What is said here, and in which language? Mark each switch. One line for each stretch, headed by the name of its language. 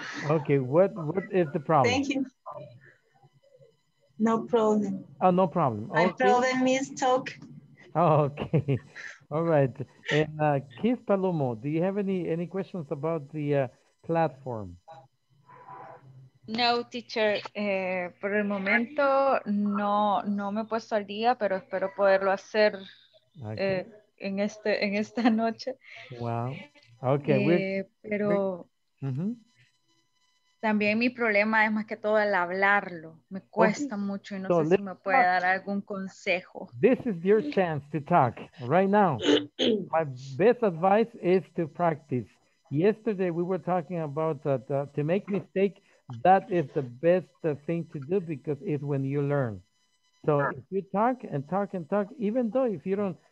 English: Okay. What is the problem? Thank you. No problem. Oh, no problem. Okay. My problem is talk. Oh, okay. All right. And Keith Palomo, do you have any questions about the platform?
Spanish: No, teacher, por el momento no me he puesto al día, pero espero poderlo hacer okay. en esta noche.
English: Wow, ok.
Spanish: También mi problema es más que todo el hablarlo. Me cuesta mucho y no sé si me puede dar algún consejo.
English: This is your chance to talk right now. My best advice is to practice. Yesterday we were talking about to make mistakes. That is the best thing to do, because it's when you learn. So if you talk and talk and talk, even though if you don't,